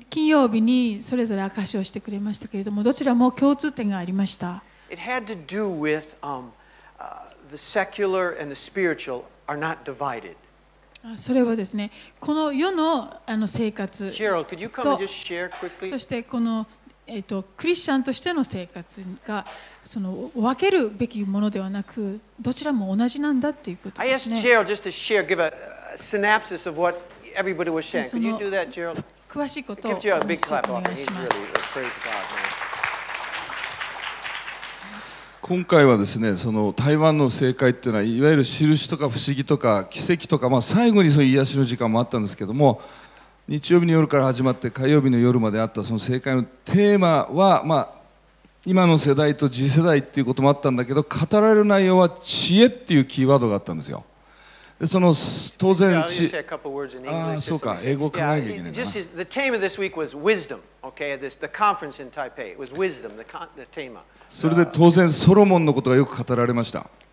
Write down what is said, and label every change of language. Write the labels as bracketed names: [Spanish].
[Japanese] 金曜日にそれぞれ証しをしてくれましたけれども、どちらも共通点がありました。 [English] It had to do with, the secular and the spiritual are not divided. [Japanese] それはですね、この世の、生活と、 [English] Cheryl, could you come and just share quickly? [Japanese] そしてこのクリスチャンとしての生活がその分けるべきものではなく、どちらも同じなんだということですね。 [English] I asked Gerald just to share, give a synopsis of what everybody was sharing. Could you do that, Gerald? [Japanese] 詳しいことをお願いします。 [English] Give Gerald a big clap off. He's really praise God. [Japanese] 今回はですね、その台湾の政界っていうのは、いわゆる印とか不思議とか奇跡とか、まあ、最後にその癒しの時間もあったんですけども。日曜日の夜から始まって火曜日の夜まであったその政界のテーマは、まあ、今の世代と次世代っていうこともあったんだけど、語られる内容は知恵っていうキーワードがあったんですよ。でその当然知あそうか英語を考えなきゃいけないな。 [English] The theme of this week was wisdom. Okay, this the conference in Taipei was wisdom. The theme. [Japanese] それで当然ソロモンのことがよく語られました。